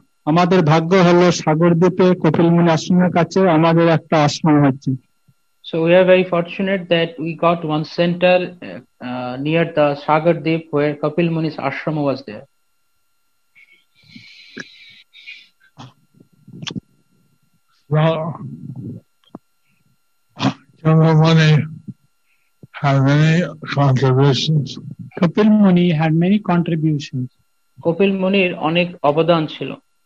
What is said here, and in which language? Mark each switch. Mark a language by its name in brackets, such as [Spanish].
[Bangla] আমাদের ভাগ্য হলো সাগর দ্বীপে কপিল মুনি আশ্রমের কাছে আমাদের একটা আশ্রম হচ্ছে. [English] So we are very fortunate that we got one center near the Sagar Deep where Kapil Muni's ashram was there. Kapil Muni had many contributions. Kapil Muni had many contributions. [Bangla] Kapil Munir অনেক অবদান ছিল.